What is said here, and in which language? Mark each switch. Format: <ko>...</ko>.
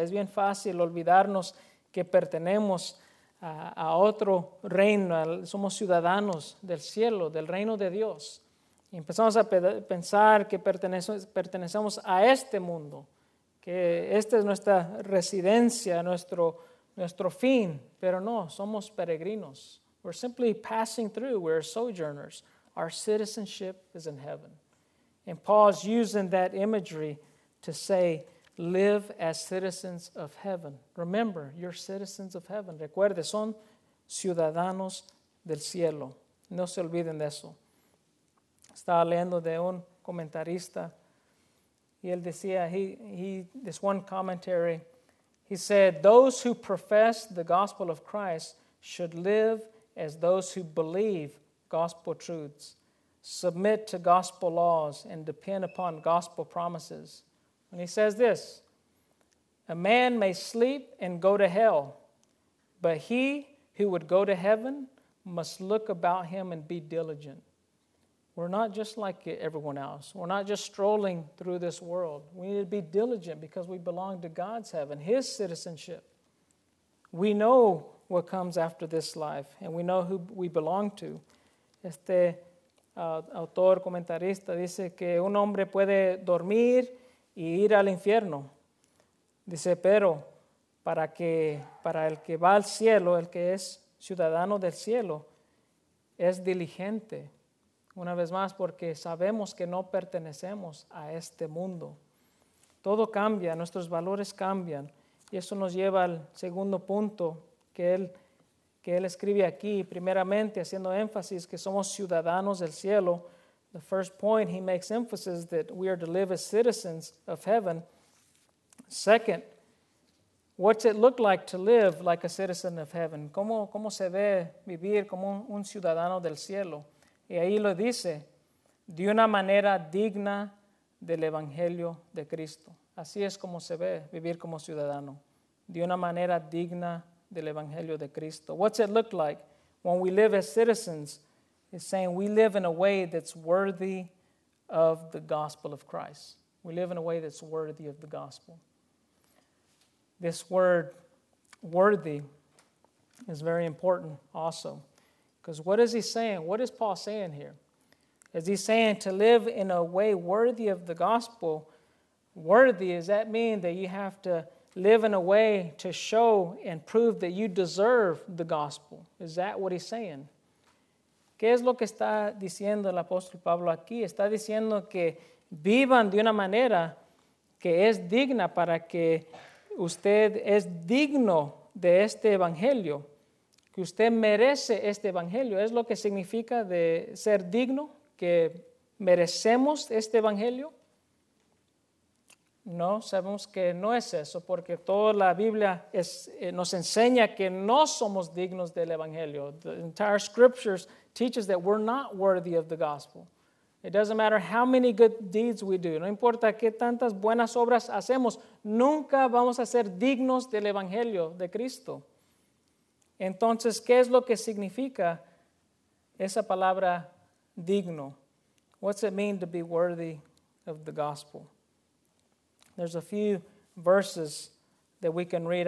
<es>Es bien fácil olvidarnos que pertenemos a otro reino. Somos ciudadanos del cielo, del reino de Dios. Y empezamos a pensar que pertenecemos a este mundo, que esta es nuestra residencia, nuestro fin. Pero no, somos peregrinos.</es> <en>We're simply passing through. We're sojourners. Our citizenship is in heaven. And Paul's using that imagery to say, live as citizens of heaven. Remember, you're citizens of heaven.</en> <es>Recuerde, son ciudadanos del cielo. No se olviden de eso. Estaba leyendo de un comentarista. Y él decía,</es> <en>this one commentary, he said, those who profess the gospel of Christ should live as those who believe gospel truths, submit to gospel laws, and depend upon gospel promises. And he says this, a man may sleep and go to hell, but he who would go to heaven must look about him and be diligent. We're not just like everyone else. We're not just strolling through this world. We need to be diligent because we belong to God's heaven, His citizenship. We know what comes after this life, and we know who we belong to.</en> <es>Este autor comentarista dice que un hombre puede dormir y ir al infierno. Dice, pero para el que va al cielo, el que es ciudadano del cielo, es diligente. Una vez más, porque sabemos que no pertenecemos a este mundo. Todo cambia, nuestros valores cambian. Y eso nos lleva al segundo punto que él escribe aquí, primeramente haciendo énfasis que somos ciudadanos del cielo.</es> <en>The first point, he makes emphasis that we are to live as citizens of heaven. Second, what's it look like to live like a citizen of heaven?</en> <es>¿Cómo se ve vivir como un ciudadano del cielo? Y ahí lo dice, de una manera digna del Evangelio de Cristo. Así es como se ve vivir como ciudadano, de una manera digna del Evangelio de Cristo.</es> <en>What's it look like when we live as citizens? It's saying we live in a way that's worthy of the gospel of Christ. We live in a way that's worthy of the gospel. This word, worthy, is very important also. Because what is he saying? What is Paul saying here? Is he saying to live in a way worthy of the gospel? Worthy, does that mean that you have to live in a way to show and prove that you deserve the gospel? Is that what he's saying?</en> <es>¿Qué es lo que está diciendo el apóstol Pablo aquí? Está diciendo que vivan de una manera que es digna para que usted es digno de este evangelio. Que usted merece este evangelio. ¿Es lo que significa de ser digno? ¿Que merecemos este evangelio? No, sabemos que no es eso, porque toda la Biblia nos enseña que no somos dignos del evangelio.</es> <en>The entire scriptures teaches that we're not worthy of the gospel. It doesn't matter how many good deeds we do.</en> <es>No importa qué tantas buenas obras hacemos, nunca vamos a ser dignos del evangelio de Cristo. Entonces, ¿qué es lo que significa esa palabra digno?</es> <en>What's it mean to be worthy of the gospel? There's a few verses that we can read.</en>